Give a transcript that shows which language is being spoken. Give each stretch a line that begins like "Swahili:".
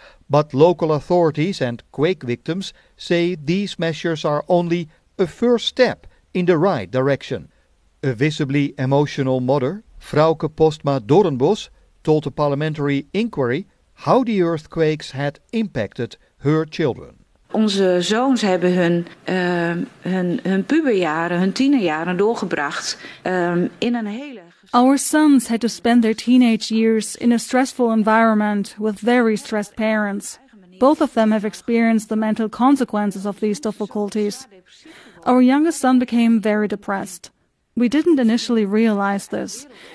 English: But local authorities and quake victims say these measures are only a first step in the right direction. A visibly emotional mother, Frauke Postma Dorenbos, told a parliamentary inquiry how the earthquakes had impacted her children.
Dutch: Onze zoons hebben hun puberjaren, hun tienerjaren doorgebracht in een hele.
English: Our sons had to spend their teenage years in a stressful environment with very stressed parents. Both of them have experienced the mental consequences of these difficulties. Our youngest son became very depressed. We didn't initially realize this.